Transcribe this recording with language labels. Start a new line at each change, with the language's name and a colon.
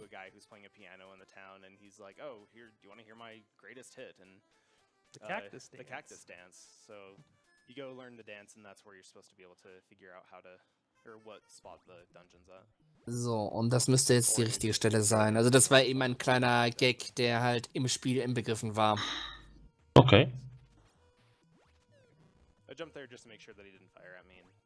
English: A guy who's playing a piano in the town and he's like, oh, here, do you want to hear my greatest hit? And the cactus dance. The cactus dance. So you go learn the dance, and that's where you're supposed to be able to figure out how to, or what spot the dungeon's at.
German: So, und das müsste jetzt die richtige Stelle sein. Also das war eben ein kleiner Gag, der halt im Spiel inbegriffen war.
English: Okay. I jumped there just to make sure that he didn't fire at me.